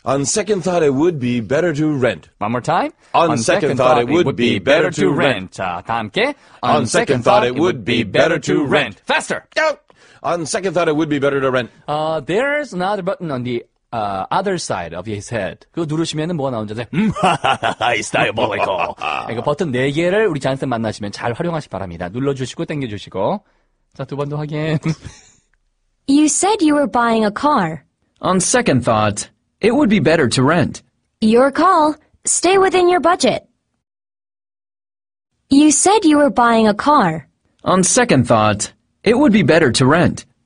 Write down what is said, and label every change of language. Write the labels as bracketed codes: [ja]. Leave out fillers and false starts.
[en] On second thought, it would be better to rent. One more time. On second thought, it would be better to rent. [ko] 자, 다 함께. [en] On second thought, it would be better to rent. Faster. On second thought, it would be better to rent. There's another button on the other side of his head. [ko] 그거 누르시면 뭐가 나오는지 아세요? [en] It's diabolical. [ko] 이거 버튼 4개를 우리 잔쌤 만나시면 잘 활용하시기 바랍니다. 눌러주시고 당겨주시고. 자, 두 번도 확인. [en] You said you were buying a car. On second thought, it would be better to rent. Your call. Stay within your budget. You said you were buying a car. On second thought, it would be better to rent.